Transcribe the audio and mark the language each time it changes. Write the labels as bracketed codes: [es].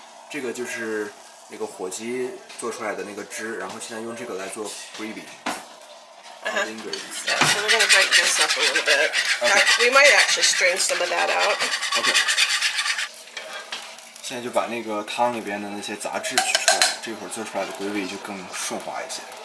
[zh] 这个就是那个火鸡做出来的那个汁，然后现在用这个来做 gravy. [en] Yeah, so we're going to break this up a little bit. Okay. We might actually strain some of that out. Okay. [zh] 现在就把那个汤里边的那些杂质取出来，这会儿做出来的 gravy 就更顺滑一些。